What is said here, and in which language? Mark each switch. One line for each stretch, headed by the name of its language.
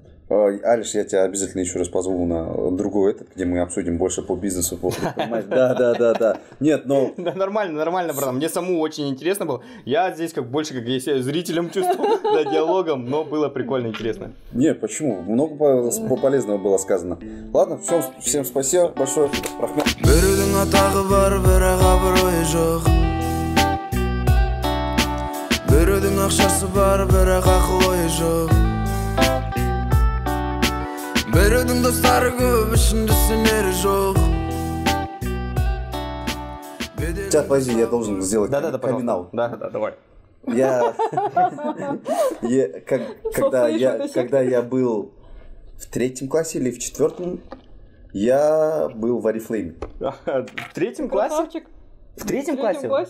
Russian: Алиш, я тебя обязательно еще раз позову на другой этот, где мы обсудим больше по бизнесу. Да-да-да-да. Нет, но... Да, нормально, нормально, братан. Мне самому очень интересно было. Я здесь как больше как я себя зрителем чувствую, да, диалогом, но было прикольно интересно. Нет, почему? Много полезного было сказано. Ладно, всем, всем спасибо большое.
Kazakh: Рахмет. Бірудің атағы бар, бірақ абыройы жоқ. Бірудің ақшасы бар, бірақ ақылы жоқ. Берудің достары көп, ішінде сенері жоқ.
Russian: Сейчас, подожди, я должен сделать камин-аут. Да-да-да, пожалуйста. Да-да-да, давай. Я... когда я был в третьем классе или в четвертом, я был в Арифлейме. В третьем классе? В третьем классе?